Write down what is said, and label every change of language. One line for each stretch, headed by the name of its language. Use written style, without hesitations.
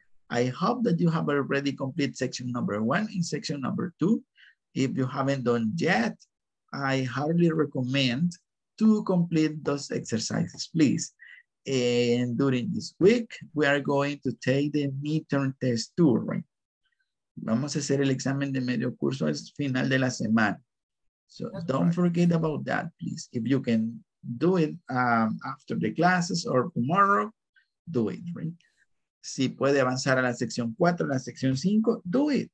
English: I hope that you have already completed section number 1 and section number 2. If you haven't done yet, I highly recommend to complete those exercises, please. And during this week, we are going to take the midterm test too, right?
Spanish: Vamos a hacer el examen de medio curso al final de la semana.
English: So don't forget about that, please. If you can do it after the classes or tomorrow, do it, right?
Spanish: Si puede avanzar a la sección 4, la sección 5,
English: do it.